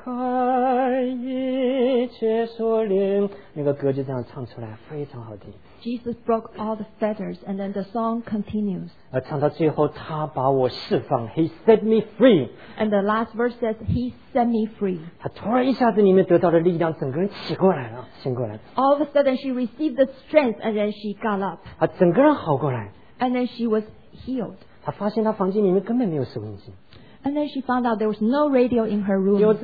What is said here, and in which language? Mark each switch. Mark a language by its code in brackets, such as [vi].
[zh] 主断开一切锁链，主断开一切锁链。那个歌就这样唱出来，非常好听。 [en] Jesus broke all the fetters, and then the song continues. [zh] 唱到最后，他把我释放， [en] He set me free. And the last verse says, He set me free. [zh] 他突然一下子里面得到的力量，整个人醒过来了，醒过来了。 [en] All of a sudden, she received the strength, and then she got up. [zh] 整个人好过来。 [en] And then she was healed. [zh] 她发现她房间里面根本没有收音机。 [en] And then she found out there was no radio in her room.